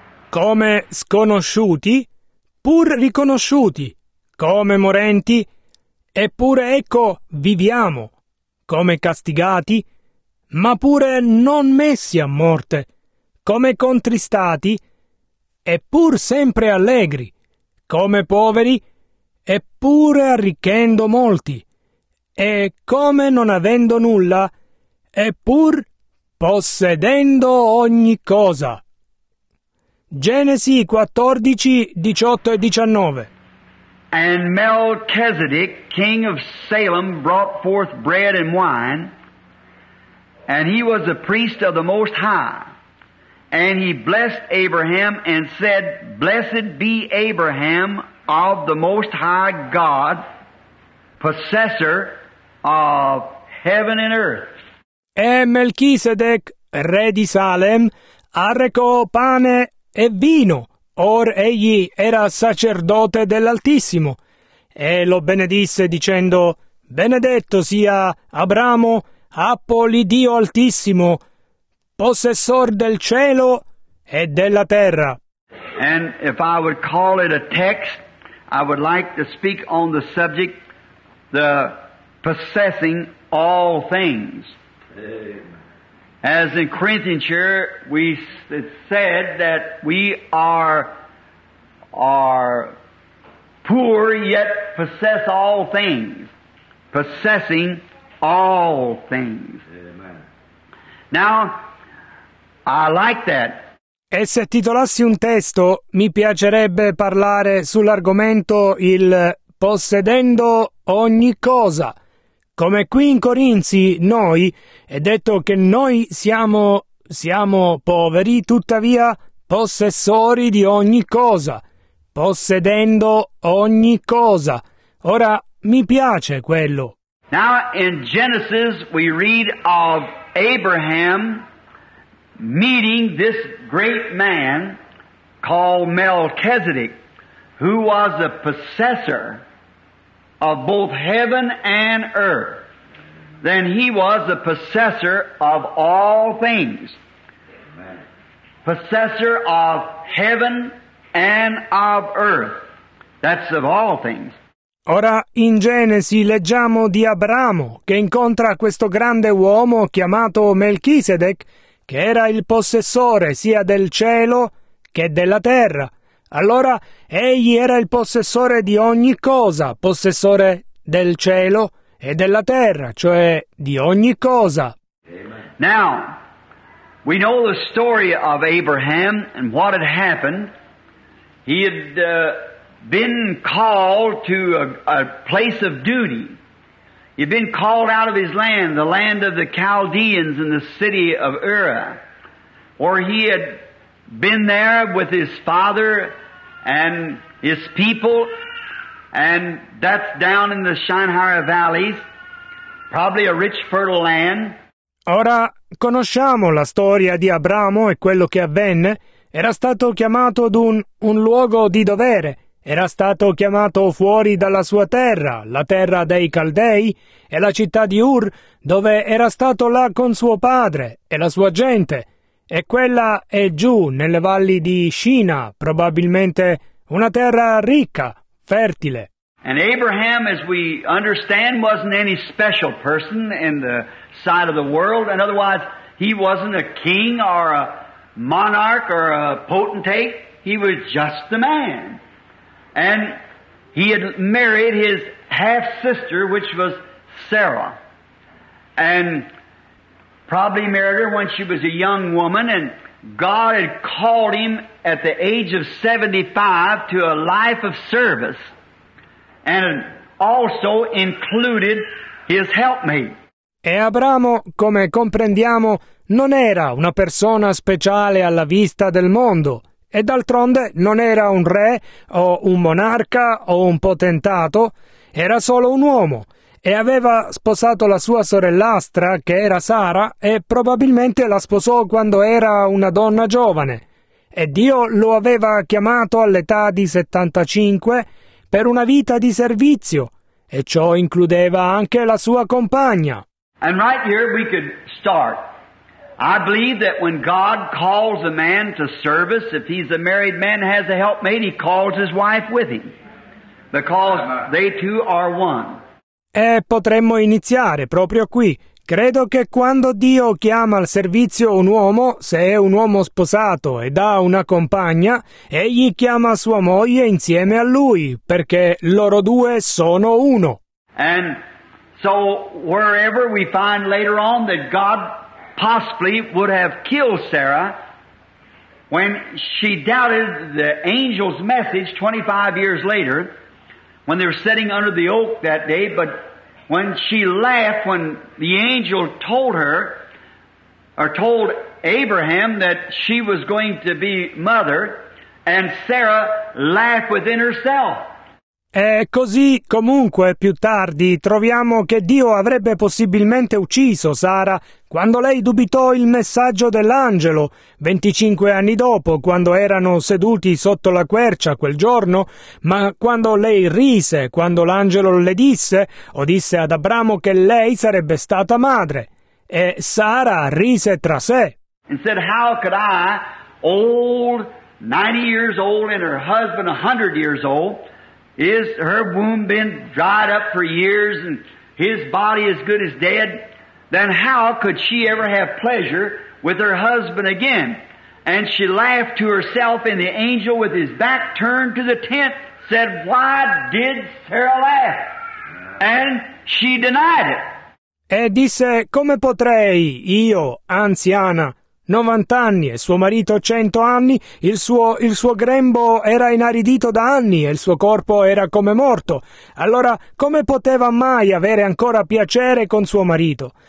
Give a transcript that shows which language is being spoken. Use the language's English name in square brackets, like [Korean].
[Italian] Come sconosciuti, pur riconosciuti, come morenti, eppure ecco viviamo, come castigati, ma pure non messi a morte, come contristati, eppur sempre allegri, come poveri, eppure arricchendo molti, e come non avendo nulla, eppur possedendo ogni cosa. Genesi 14, 18 e 19. [English] And Melchizedek, king of Salem, brought forth bread and wine, and he was a priest of the Most High. And he blessed Abraham and said, Blessed be Abraham of the Most High God, possessor of heaven and earth. [Italian] E Melchisedec, re di Salem, arrecò pane e vino. Or egli era sacerdote dell'Altissimo, e lo benedisse dicendo, Benedetto sia Abramo, appoli Dio Altissimo, possessor del cielo e della terra. [English] And if I would call it a text, I would like to speak on the subject, the possessing all things. As in Corinthians here, we it said that we are poor yet possess all things, possessing all things. Amen. Now, I like that. [Italian] E se titolassi un testo, mi piacerebbe parlare sull'argomento il possedendo ogni cosa. Come qui in Corinzi, noi, è detto che noi siamo poveri, tuttavia possessori di ogni cosa, possedendo ogni cosa. Ora, mi piace quello. [English] Now, in Genesis, we read of Abraham meeting this great man called Melchizedek, who was a possessor of both heaven and earth. Then he was the possessor of all things. Amen. Possessor of heaven and of earth. That's of all things. [Italian] Ora in Genesi leggiamo di Abramo che incontra questo grande uomo chiamato Melchisedec, che era il possessore sia del cielo che della terra. Allora egli era il possessore di ogni cosa, possessore del cielo e della terra, cioè di ogni cosa. Amen. [English] Now, we know the story of Abraham and what had happened. He had been called to a place of duty. He had been called out of his land, the land of the Chaldeans and the city of Ur, where he had been there with his father and his people. And that's down in the Shinar Valleys, probably a rich, fertile land. [Italian] Ora conosciamo la storia di Abramo e quello che avvenne. Era stato chiamato ad un luogo di dovere. Era stato chiamato fuori dalla sua terra, la terra dei Caldei, e la città di Ur, dove era stato là con suo padre e la sua gente. E quella è giù, nelle valli di Shina, probabilmente una terra ricca, fertile. [English] And Abraham, as we understand, wasn't any special person in the sight of the world, and otherwise he wasn't a king or a monarch or a potentate. He was just a man. And he had married his half-sister, which was Sarah, and probably married her when she was a young woman, and God had called him at the age of 75 to a life of service, and also included his helpmate. [Italian] E Abramo, come comprendiamo, non era una persona speciale alla vista del mondo, e d'altronde non era un re o un monarca o un potentato, era solo un uomo, e aveva sposato la sua sorellastra, che era Sara, e probabilmente la sposò quando era una donna giovane. E Dio lo aveva chiamato all'età di 75 per una vita di servizio, e ciò includeva anche la sua compagna. [English] And right here we could start. I believe that when God calls a man to service, if he's a married man and has a helpmate, he calls his wife with him, because they two are one. [Italian] E potremmo iniziare proprio qui. Credo che quando Dio chiama al servizio un uomo, se è un uomo sposato ed ha una compagna, egli chiama sua moglie insieme a lui, perché loro due sono uno. [English] And so wherever we find later on that God possibly would have killed Sarah when she doubted the angel's message 25 years later, when they were sitting under the oak that day, but when she laughed when the angel told her, or told Abraham that she was going to be mother, and Sarah laughed within herself. [Italian] E così, comunque, più tardi, troviamo che Dio avrebbe possibilmente ucciso Sara quando lei dubitò il messaggio dell'angelo, 25 anni dopo, quando erano seduti sotto la quercia quel giorno, ma quando lei rise, quando l'angelo le disse, o disse ad Abramo che lei sarebbe stata madre. E Sara rise tra sé. [English] And said, how could I, old, 90 years old, and her husband 100 years old, is her womb been dried up for years and his body as good as dead? Then how could she ever have pleasure with her husband again? And she laughed to herself, and the angel with his back turned to the tent said, why did Sarah laugh? And she denied it. [Italian] E disse, come potrei io, anziana, 90 anni, e suo marito 100 anni, il suo grembo era inaridito da anni e il suo corpo era come morto. Allora, come poteva mai avere ancora piacere con suo marito?